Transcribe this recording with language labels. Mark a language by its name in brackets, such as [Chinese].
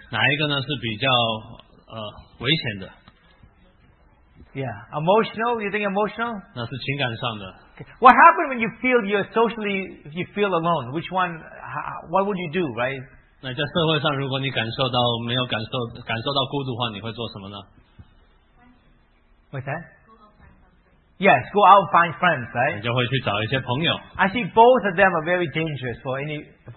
[Chinese] 哪一个呢是比较危险的？ [English] Yeah, emotional. You think emotional? [Chinese] 那是情感上的。 [English] What happens when you feel you're socially, you feel alone? Which one, what would you do, right? [Chinese] 那在社会上，如果你感受到没有感受到孤独的话， 你会做什么呢？ [English] What's that? Yes, go out and find friends, right? [Chinese] 你就会去找一些朋友。 [English] I think both of them are very dangerous for everyone.